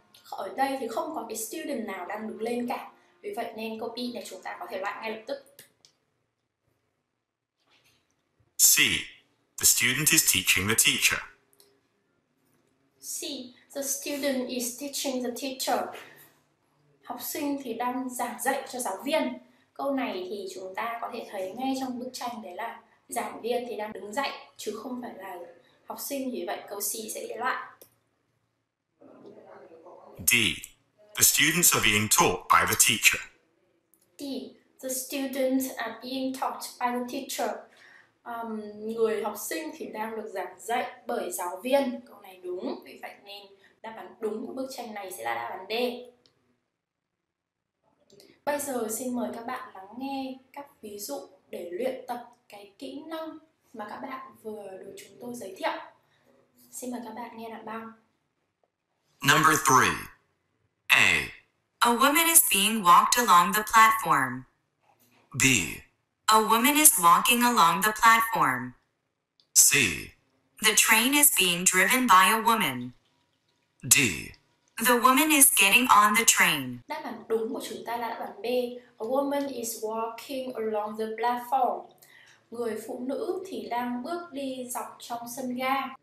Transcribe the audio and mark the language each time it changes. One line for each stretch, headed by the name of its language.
Vietnamese: Ở đây thì không có cái student nào đang đứng lên cả. Vì vậy nên câu B này chúng ta có thể loại ngay lập tức.
English: C. The student is teaching the teacher. C. The student is teaching the teacher.
Vietnamese: Học sinh thì đang giảng dạy cho giáo viên. Câu này thì chúng ta có thể thấy ngay trong bức tranh, đấy là giảng viên thì đang đứng dậy chứ không phải là học sinh. Vì vậy câu C sẽ bị loại.
English: D. The students are being taught by the teacher. D. The students are being taught by the teacher.
Vietnamese: Người học sinh thì đang được giảng dạy bởi giáo viên. Câu này đúng, vì vậy nên đáp án đúng của bức tranh này sẽ là đáp án D. Bây giờ xin mời các bạn lắng nghe các ví dụ để luyện tập cái kỹ năng mà các bạn vừa được chúng tôi giới thiệu. Xin mời các bạn nghe đoạn 3.
English: Number 3. A. A woman is being walked along the platform. B. A woman is walking along the platform. C. The train is being driven by a woman. D. The woman is getting on the train.
Vietnamese: Đáp án đúng của chúng ta là đáp án B.
English: A woman is walking along the platform.
Vietnamese: Người phụ nữ thì đang bước đi dọc trong sân ga.